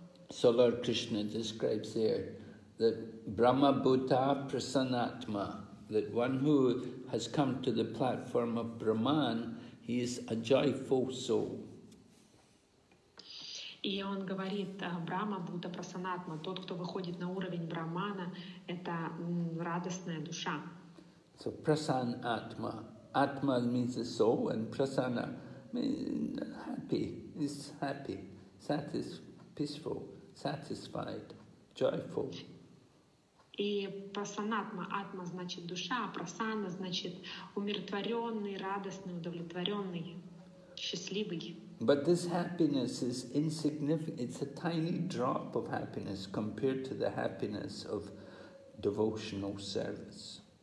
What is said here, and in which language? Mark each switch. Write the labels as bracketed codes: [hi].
[en] So Lord Krishna describes there that Brahma Bhuta Prasanatma, that one who has come to the platform of Brahman, he is a joyful soul. [ru] И он говорит, Брахма Бхута Прасанатма, тот, кто выходит на уровень Брахмана, это радостная душа. [en] So Прасанатма. Атма means the soul, and Прасана means happy. He's happy, peaceful, satisfied, joyful. [ru] И Прасанатма, Атма значит душа, а Прасана значит умиротворенный, радостный, удовлетворенный, счастливый. [en] But this happiness is insignificant. It's a tiny drop of happiness compared to the happiness of devotional service.